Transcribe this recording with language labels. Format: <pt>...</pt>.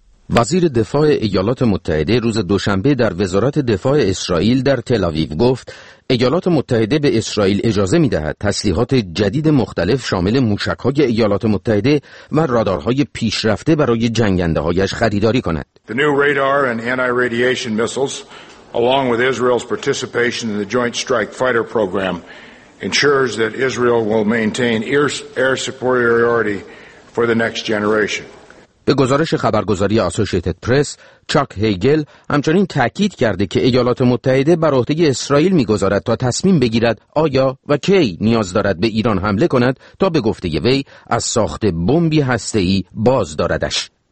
<fa>وزیر دفاع ایالات متحده روز دوشنبه در وزارت دفاع اسرائیل در تل‌آویو گفت ایالات متحده به اسرائیل اجازه می‌دهد تسلیحات جدید مختلف شامل موشک‌های ایالات متحده و رادارهای پیشرفته برای جنگنده‌هایش خریداری کند.</fa> <en>The new radar and anti-radiation missiles along with Israel's participation in the joint strike fighter program ensures that Israel will maintain air superiority for the next generation.</en> <fa>به گزارش خبرگزاری آسوشیتد پرس، چاک هیگل همچنین تأکید کرده که ایالات متحده بر عهده اسرائیل می‌گذارد تا تصمیم بگیرد آیا و کی نیاز دارد به ایران حمله کند تا به گفته وی از ساخت بمبی هسته‌ای باز داردش.</fa>